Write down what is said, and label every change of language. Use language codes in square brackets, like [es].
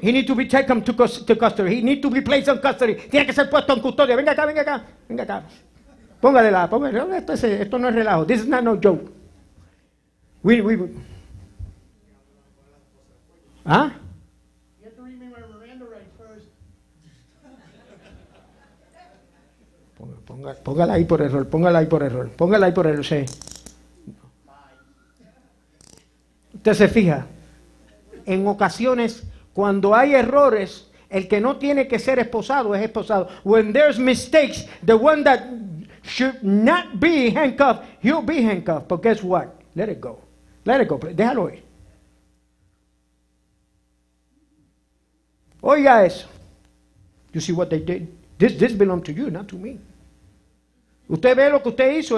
[en] He need to be taken to custody. He need to be placed in custody. [es] Tiene que ser puesto en custodia. Venga acá, venga acá. Venga acá. Póngale la... Esto no es relajo. [en] This is not no joke. We... Huh? You have to read me my Miranda right first. [es] Póngala ahí por error, póngala ahí por error, póngala ahí por error, sí. Usted se fija, en ocasiones cuando hay errores, el que no tiene que ser esposado es esposado. [en] When there's mistakes, the one that should not be handcuffed, he'll be handcuffed. But guess what? Let it go, [es] déjalo ir. Oiga eso, [en] You see what they did? This belongs to you, not to me. [es] Usted ve lo que usted hizo.